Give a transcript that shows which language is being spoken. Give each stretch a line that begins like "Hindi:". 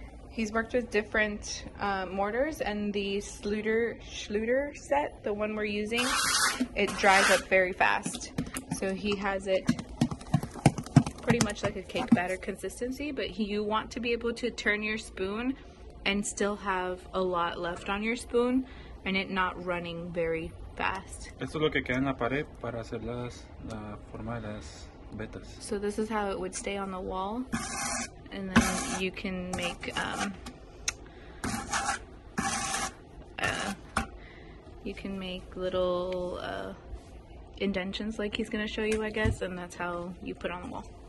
English: He's worked with different mortars, and the Schluter set, the one we're using, it dries up very fast. So he has it pretty much like a cake batter consistency, but you want to be able to turn your spoon and still have a lot left on your spoon and it not running very fast.
Spanish: Esto es lo que queda en la pared para hacer la forma de las vetas.
English: So this is how it would stay on the wall. And then you can make, little indentions like he's gonna show you, I guess, and that's how you put on the wall.